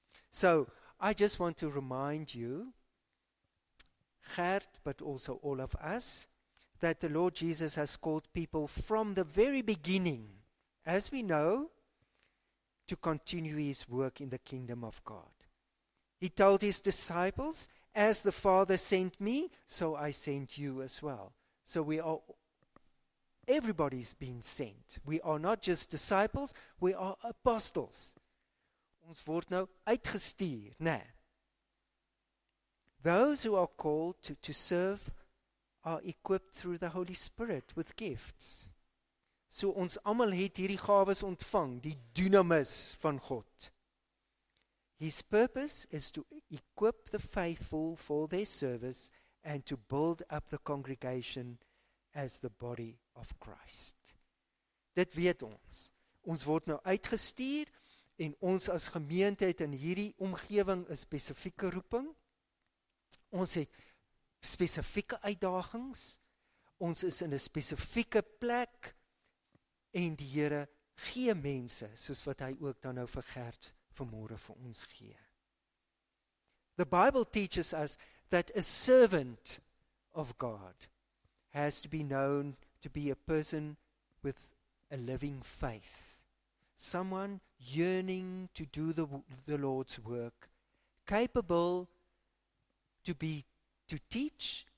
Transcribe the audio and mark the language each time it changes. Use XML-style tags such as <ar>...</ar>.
<en>So I just want to remind you, Gert, but also all of us, that the Lord Jesus has called people from the very beginning, as we know, to continue his work in the kingdom of God. He told his disciples, as the Father sent me, so I sent you as well. So we are, everybody's been sent. We are not just disciples, we are apostles.</en> <af>Ons word nou uitgestuur, né?</af> <en>Those who are called to serve are equipped through the Holy Spirit with gifts.</en> <af>So ons almal het hierdie gawes ontvang, die dynamis van God.</af> <en>His purpose is to equip the faithful for their service and to build up the congregation as the body of Christ.</en> <af>Dit weet ons. Ons word nou uitgestuur en ons as gemeente het in hierdie omgewing 'n spesifieke roeping. Ons het spesifieke uitdagings, ons is in 'n spesifieke plek, en die Here gee mense, soos wat hy ook dan nou vir Gert vanmôre vir ons gee.</af> <en>The Bible teaches us that a servant of God has to be known to be a person with a living faith, someone yearning to do the Lord's work, capable to teach</en>